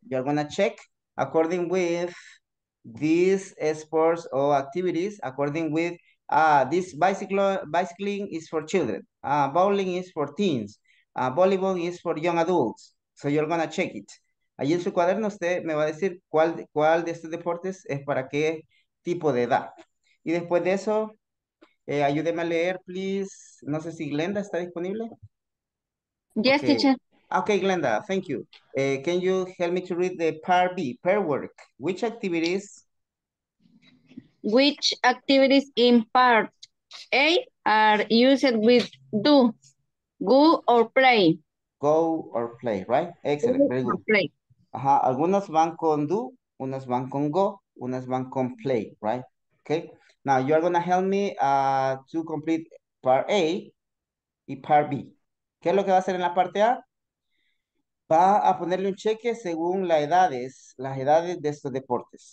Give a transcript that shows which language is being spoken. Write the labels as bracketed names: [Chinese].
[English] You're going to check according with these sports or activities, according with this bicycling is for children. Bowling is for teens. Volleyball is for young adults. So you're gonna check it. [Spanish] Allí en su cuaderno usted me va a decir cuál de estos deportes es para qué tipo de edad. Y después de eso, ayúdeme a leer, [English] please. [Spanish] No sé si Glenda está disponible. [English] Yes, okay. Teacher. Okay, Glenda, thank you. Can you help me to read the part B, pair work? Which activities? Which activities in part A are used with do, go or play? Go or play, right? Excellent, very good. Play. Ajá. [Spanish] Algunas van con do, unas van con go, unas van con play, [English] right? Okay, now you are going to help me to complete part A y part B. [Spanish] ¿Qué es lo que va a hacer en la parte A? Va a ponerle un cheque según las edades de estos deportes.